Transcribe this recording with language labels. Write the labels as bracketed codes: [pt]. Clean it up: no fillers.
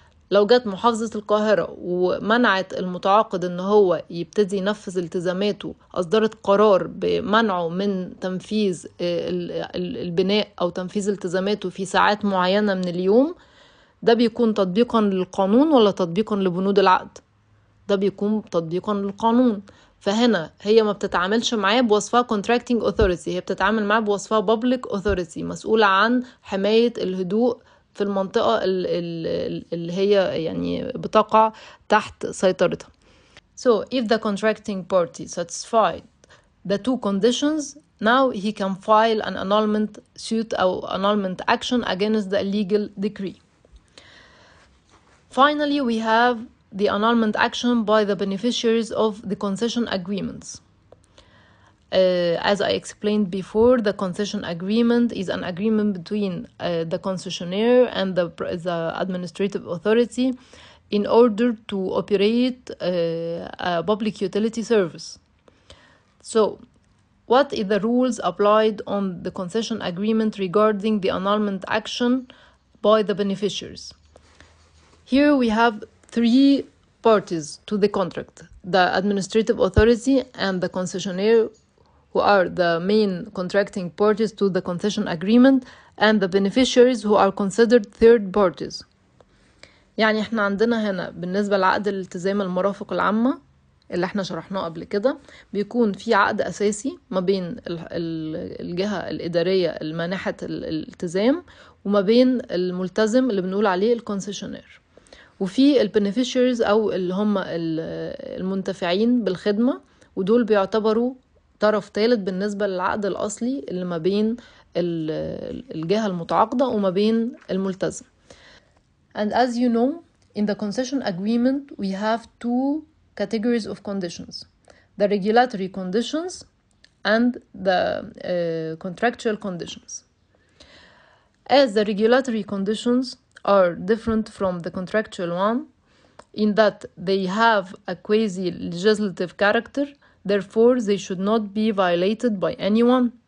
[ar] لو جت محافظة القاهرة ومنعت المتعاقد ان هو يبتدي ينفذ التزاماته، اصدرت قرار بمنعه من تنفيذ البناء او تنفيذ التزاماته في ساعات معينة من اليوم، ده بيكون تطبيقا للقانون ولا تطبيقا لبنود العقد؟ ده بيكون تطبيقا للقانون. فهنا هي ما بتتعاملش معاه بوصفها contracting authority، هي بتتعامل معاه بوصفها public authority، مسؤولة عن حماية الهدوء في المنطقة اللي هي يعني بتقع تحت سيطرتها. [en] So if the contracting party satisfied the two conditions, now he can file an annulment suit or annulment action against the legal decree. Finally, we have the annulment action by the beneficiaries of the concession agreements. As I explained before, the concession agreement is an agreement between the concessionaire and the administrative authority in order to operate a public utility service. So, what are the rules applied on the concession agreement regarding the annulment action by the beneficiaries? Here we have three parties to the contract: the administrative authority and the concessionaire, who are the main contracting parties to the concession agreement, and the beneficiaries, who are considered third parties. [ar] يعني احنا عندنا هنا بالنسبة لعقد الالتزام المرافق العامة اللي احنا شرحناه قبل كده، بيكون في عقد أساسي ما بين الجهة الإدارية المانحة الالتزام وما بين الملتزم اللي بنقول عليه الكونسيشنير، وفي البنفيشيرز أو اللي هم المنتفعين بالخدمة، ودول بيعتبروا طرف ثالث بالنسبة للعقد الأصلي اللي ما بين الجهة المتعاقدة وما بين الملتزم. [en] And as you know, In the concession agreement, we have two categories of conditions: the regulatory conditions and the contractual conditions. As the regulatory conditions are different from the contractual one, in that they have a quasi-legislative character, therefore they should not be violated by anyone.